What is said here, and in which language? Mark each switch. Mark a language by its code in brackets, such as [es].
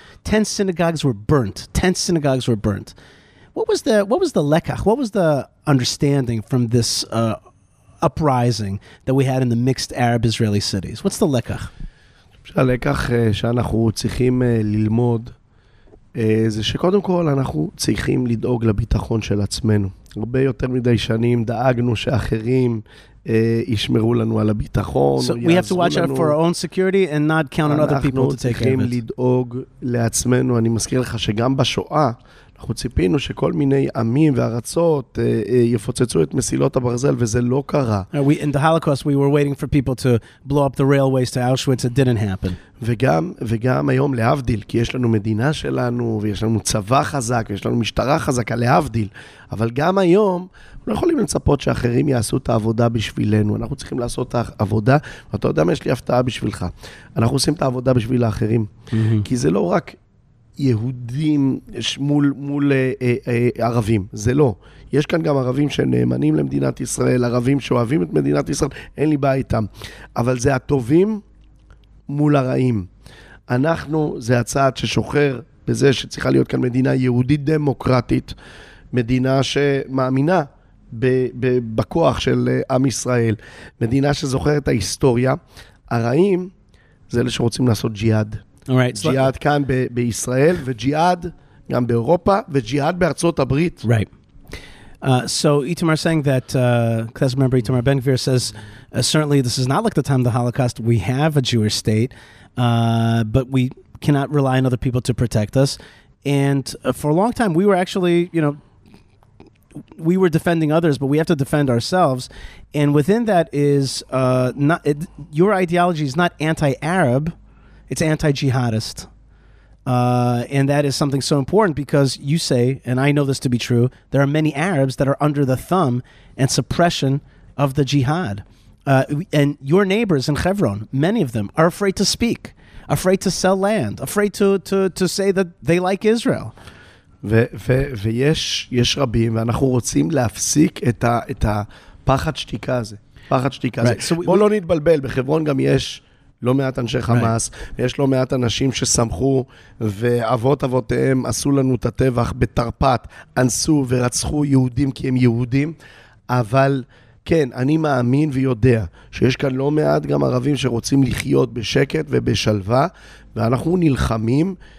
[en] Ten synagogues were burnt. What was the lekach? What was the understanding from this uprising that we had in the mixed Arab-Israeli cities? What's the lekach? [he] הלקח שאנחנו צריכים ללמוד זה שקודם כל אנחנו צריכים לדאוג לביטחון של עצמנו. הרבה יותר מדי שנים דאגנו שאחרים ישמרו לנו על הביטחון. [en] So we have to watch out for our own security and not count on other people to take care of it. [he] אנחנו צריכים לדאוג לעצמנו. אני מזכיר לך שגם בשואה אנחנו ציפינו שכל מיני עמים וארצות יפוצצו את מסילות הברזל, וזה לא קרה. [en] In the Holocaust, we were waiting for people to blow up the railways to Auschwitz. It didn't happen. [he] וגם היום להבדיל, כי יש לנו מדינה שלנו, ויש לנו צבא חזק, ויש לנו משטרה חזקה, להבדיל. אבל גם היום, אנחנו יכולים לצפות שאחרים יעשו את העבודה בשבילנו. אנחנו צריכים לעשות את העבודה, ואתה יודע מה, יש לי הפתעה בשבילך. אנחנו עושים את העבודה בשביל האחרים. כי זה לא רק יהודים מול ערבים, זה לא. יש כאן גם ערבים שנאמנים למדינת ישראל, ערבים שאוהבים את מדינת ישראל, אין לי בעיה איתם. אבל זה הטובים מול הרעים. אנחנו, זה הצעד ששוחר בזה שצריכה להיות כאן מדינה יהודית דמוקרטית, מדינה שמאמינה בכוח של עם ישראל, מדינה שזוכרת את ההיסטוריה. הרעים זה אלה שרוצים לעשות ג'יהאד. [en] All right, [he] ג'יהאד כאן בישראל, וג'יהאד גם באירופה, וג'יהאד בארצות הברית. [en] Right. So Itamar saying that, class member Itamar Ben Gvir says, certainly this is not like the time of the Holocaust. We have a Jewish state, but we cannot rely on other people to protect us. And for a long time, we were actually, you know, we were defending others, but we have to defend ourselves. And within that is, your ideology is not anti-Arab, it's anti-jihadist. And that is something so important because you say, and I know this to be true, there are many Arabs that are under the thumb and suppression of the jihad. And your neighbors in Hebron, many of them, are afraid to speak, afraid to sell land, afraid to say that they like Israel. [he] ויש רבים, ואנחנו רוצים להפסיק את הפחד שתיקה הזה. פחד שתיקה הזה. בוא לא נתבלבל, בחברון גם יש לא מעט אנשי חמאס, יש לא מעט אנשים שסמכו ואבות אבותיהם עשו לנו את הטבח בתרפת, אנסו ורצחו יהודים כי הם יהודים, אבל כן, אני מאמין ויודע שיש כאן לא מעט גם ערבים שרוצים לחיות בשקט ובשלווה, ואנחנו נלחמים